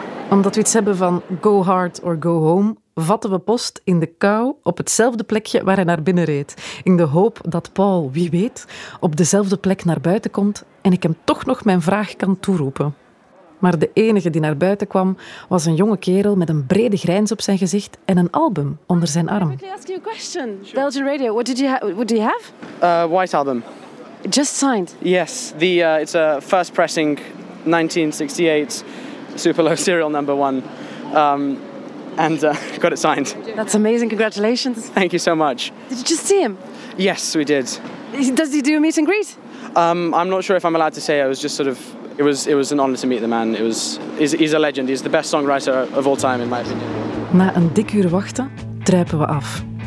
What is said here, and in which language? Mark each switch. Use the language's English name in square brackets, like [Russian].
[Dutch] Omdat we iets hebben van [English] go hard or go home, [Dutch] vatten we post in de kou op hetzelfde plekje waar hij naar binnen reed. In de hoop dat Paul, wie weet, op dezelfde plek naar buiten komt en ik hem toch nog mijn vraag kan toeroepen. Maar de enige die naar buiten kwam, was een jonge kerel met een brede grijns op zijn gezicht en een album onder zijn arm. [English] Can I quickly ask you a question? Sure. Belgian Radio, what did you what do you have? White album. Just signed? Yes, it's a first pressing 1968... super low serial number one. Got it signed. That's amazing, congratulations. Thank you so much. Did you just see him? Yes, we did. Does he do a meet and greet? I'm not sure if I'm allowed to say. I was just sort of... It was an honor to meet the man. He's a legend. He's the best songwriter of all time, in my opinion. [Dutch] Na een dik uur wachten, druipen we af.